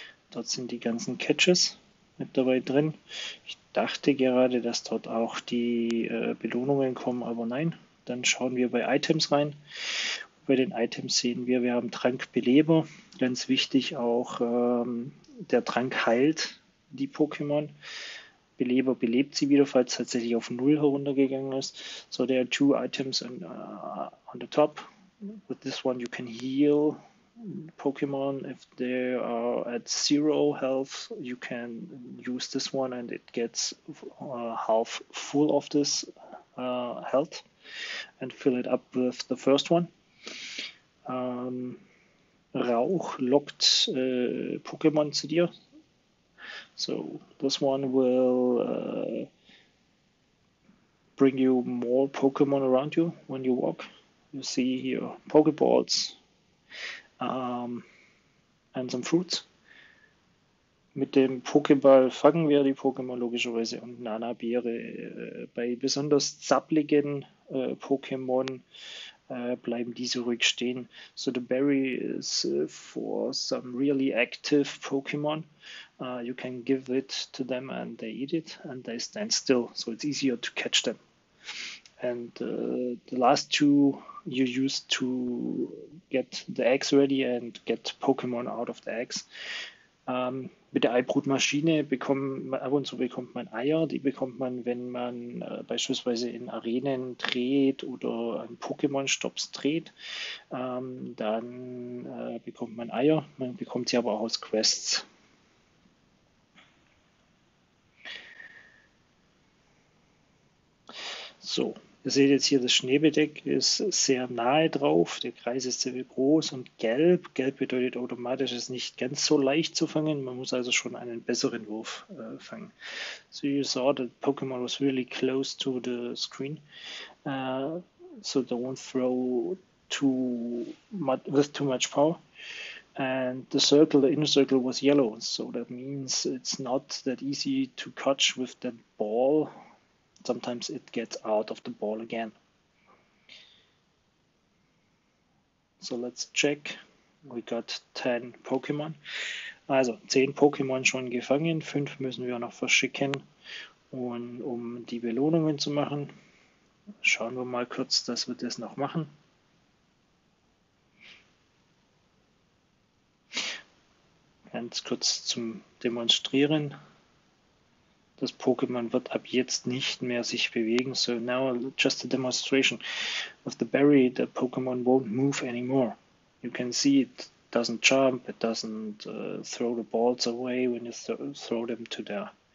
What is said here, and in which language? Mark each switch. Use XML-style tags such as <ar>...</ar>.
<de>Dort sind die ganzen Catches mit dabei drin. Ich dachte gerade, dass dort auch die Belohnungen kommen, aber nein. Dann schauen wir bei Items rein. Bei den Items sehen wir haben Trank Beleber. Ganz wichtig auch, der Trank heilt die Pokémon. Beleber belebt sie wieder, falls tatsächlich auf 0 heruntergegangen ist.</de> <en>So, there are two items on the top. With this one you can heal Pokémon. If they are at zero health, you can use this one and it gets half full of this health and fill it up with the first one.</en> <de>Rauch lockt Pokémon zu dir.</de> <en>So, this one will bring you more Pokémon around you when you walk. You see here Pokéballs and some fruits.</en> <de>Mit dem Pokéball fangen wir die Pokémon logischerweise und Nanabeere. Bei besonders zappligen Pokémon bleiben diese ruhig stehen.</de> <en>So, the berry is for some really active Pokémon. You can give it to them and they eat it and they stand still. So, it's easier to catch them. And the last two you use to get the eggs ready and get Pokémon out of the eggs.</en> <de>Mit der Eibrutmaschine bekommt man, ab und zu bekommt man Eier, die bekommt man, wenn man beispielsweise in Arenen dreht oder an Pokémon-Stops dreht, dann bekommt man Eier, man bekommt sie aber auch aus Quests. So, ihr seht jetzt hier, das Schneebedeck ist sehr nahe drauf. Der Kreis ist sehr groß und gelb. Gelb bedeutet automatisch, es ist nicht ganz so leicht zu fangen. Man muss also schon einen besseren Wurf fangen.</de> <en>So you saw, the Pokémon was really close to the screen. So don't throw with too much power. And the circle, the inner circle was yellow. So that means it's not that easy to catch with that ball. Sometimes it gets out of the ball again. So let's check. We got 10 Pokémon.</en> <de>Also 10 Pokémon schon gefangen. 5 müssen wir noch verschicken. Und um die Belohnungen zu machen, schauen wir mal kurz, dass wir das noch machen. Ganz kurz zum Demonstrieren. Das Pokémon wird ab jetzt nicht mehr sich bewegen.</de> <en>So now just a demonstration of the berry. The Pokémon won't move anymore. You can see it doesn't jump, it doesn't throw the balls away when you throw them to there.</en>